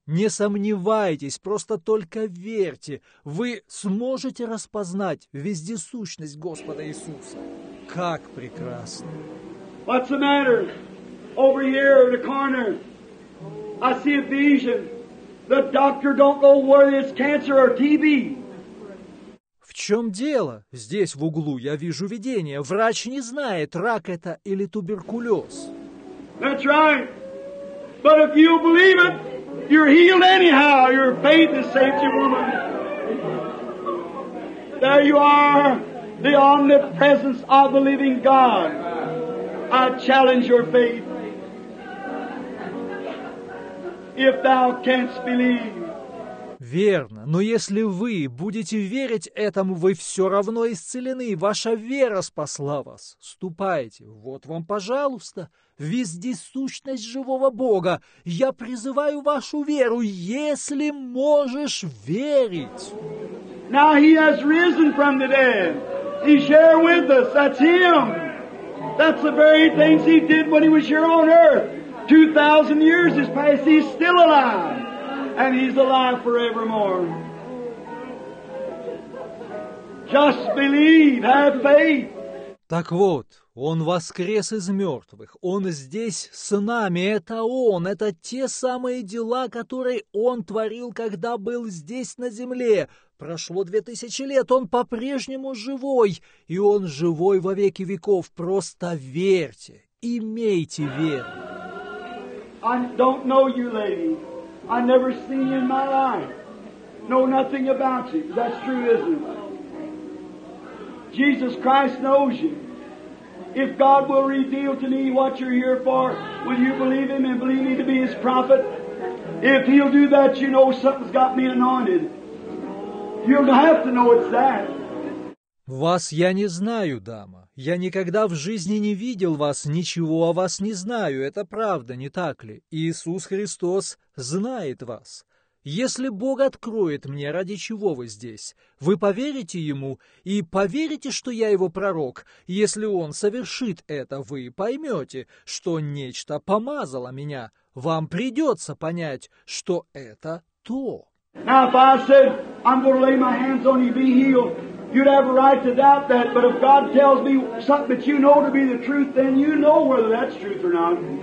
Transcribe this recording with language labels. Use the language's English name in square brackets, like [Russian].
[Russian] Не сомневайтесь, просто только верьте. Вы сможете распознать вездесущность Господа Иисуса. Как прекрасно! [English] What's the matter? Over here in the corner, I see a vision. The doctor don't know whether it's cancer or TB. [Russian] В чем дело? Здесь в углу я вижу видение. Врач не знает, рак это или туберкулез. [English] That's right. But if you believe it, you're healed anyhow. Your faith has saved you, woman. There you are, the omnipresence of the living God. I challenge your faith. If thou canst believe. [Russian] Верно, но если вы будете верить этому, вы все равно исцелены. Ваша вера спасла вас. Ступайте. Вот вам, пожалуйста, вездесущность живого Бога. Я призываю вашу веру, если можешь верить. [English] Now he has risen from the dead. He's here with us. That's him. That's the very things he did when he was here on earth. 2,000 years has passed. He's still alive. And he's alive forevermore. Just believe, have faith. [Russian] Так вот, он воскрес из мертвых. Он здесь с нами. Это он. Это те самые дела, которые он творил, когда был здесь на земле. Прошло 2000 лет. Он по-прежнему живой. И он живой во веки веков. Просто верьте. Имейте веру. [English] I don't know you, lady. I never seen you in my life. Know nothing about you. That's true, isn't it? Jesus Christ knows you. If God will reveal to me what you're here for, will you believe him and believe me to be his prophet? If he'll do that, you know something's got me anointed. You'll have to know it's that. [Russian] Вас я не знаю, дама. Я никогда в жизни не видел вас, ничего о вас не знаю. Это правда, не так ли? Иисус Христос знает вас. Если Бог откроет мне, ради чего вы здесь, вы поверите Ему и поверите, что я Его пророк. Если Он совершит это, вы поймете, что нечто помазало меня. Вам придется понять, что это то. [English] Now, if I said, I'm going to lay my hands on you, be healed. You'd have a right to doubt that, but if God tells me something that you know to be the truth, then you know whether that's truth or not.